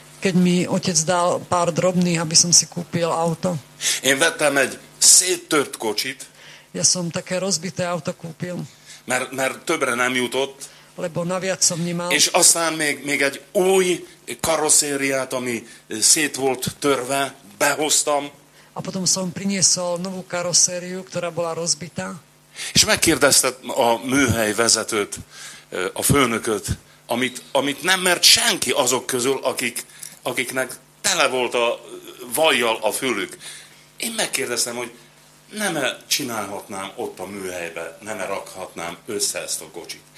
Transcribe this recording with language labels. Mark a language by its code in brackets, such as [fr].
[sk] keď mi otec dal pár drobných, aby som si kúpil auto. [hu] Én vettem egy széttört kocsit. [sk] Ja som také rozbité auto kúpil. [hu] Mert többre nem jutott. [sk] Lebo naviac som nemal. [hu] És aztán még egy új karosszériát, ami szét volt törve, behoztam. [sk] A potom som priniesol novú karosszériu, ktorá bola rozbitá. [hu] És megkérdezte a műhely vezetőt, a főnököt, amit nem mert senki azok közül, akiknek tele volt a vajjal a fülük. Én megkérdeztem, hogy nem-e csinálhatnám ott a műhelybe, nem-e rakhatnám össze ezt a kocsit.